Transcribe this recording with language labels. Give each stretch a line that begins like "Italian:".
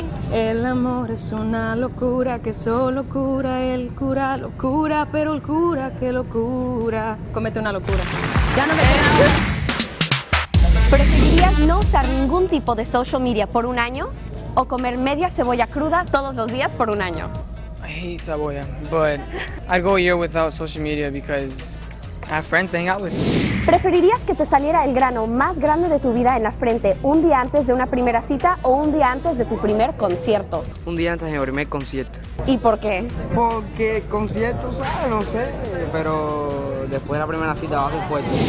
Spanish: El amor es una locura que solo cura el cura locura, pero el cura que locura comete una locura. Ya no me queda. ¿Preferirías no usar ningún tipo de social media por un año o comer media cebolla cruda todos los días por un año?
English: I hate cebolla, but I'd go a year without social media because I have friends to hang out with.
Spanish: ¿Preferirías que te saliera el grano más grande de tu vida en la frente un día antes de una primera cita o un día antes de tu primer concierto? Un día antes de mi primer concierto. ¿Y por qué? Porque concierto, ¿sabes? No sé, pero después de la primera cita bajo fuerte.